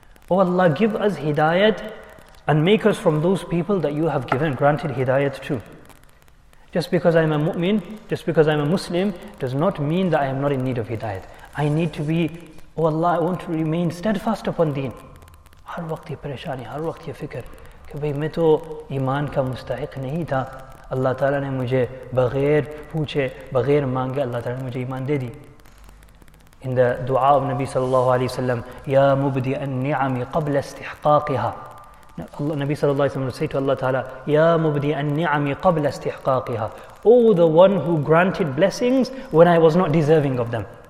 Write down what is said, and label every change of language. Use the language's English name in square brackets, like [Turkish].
[English] Oh Allah, give us hidayat and make us from those people that you have given, granted hidayat to. Just because I'm a mu'min, just because I'm a Muslim, does not mean that I am not in need of hidayat. I need to be, oh Allah, I want to remain steadfast upon deen. [Urdu] ہر وقت یہ پریشانی، ہر وقت یہ فکر. کہ بھائی، میں تو ایمان کا مستحق نہیں تھا. اللہ تعالیٰ نے مجھے بغیر پوچھے، بغیر مانگے، اللہ تعالیٰ نے مجھے ایمان دے دی. [English] In the dua of Nabi sallallahu alayhi wa sallam, [Arabic] Ya mubdi an-ni'ami qabla istihqaqiha. [English] Allah, Nabi sallallahu alayhi wa sallam would say to Allah Ta'ala, [Arabic] Ya mubdi an-ni'ami qabla istihqaqiha. [English] Oh, the one who granted blessings when I was not deserving of them.